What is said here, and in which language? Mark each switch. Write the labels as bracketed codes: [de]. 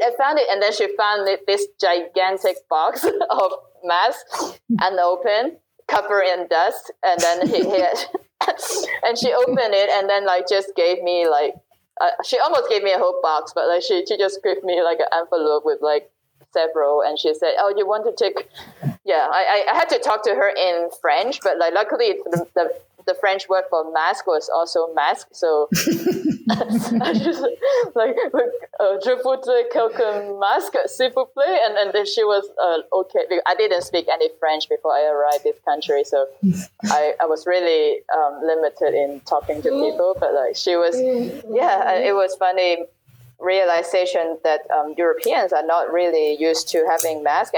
[en] And then she found this gigantic box of mask and open cover in dust, and then and she opened it, and then like just gave me like she almost gave me a whole box, but like she just gave me like an envelope with like several, and she said, oh, you want to take? Yeah, I had to talk to her in French, but like luckily the the French word for mask was also mask. [fr] So je voudrais quelques masques, s'il vous plaît. [en] And then she was okay. I didn't speak any French before I arrived this country. So I was really limited in talking to people. But like she was, yeah, it was funny realization that Europeans are not really used to having masks.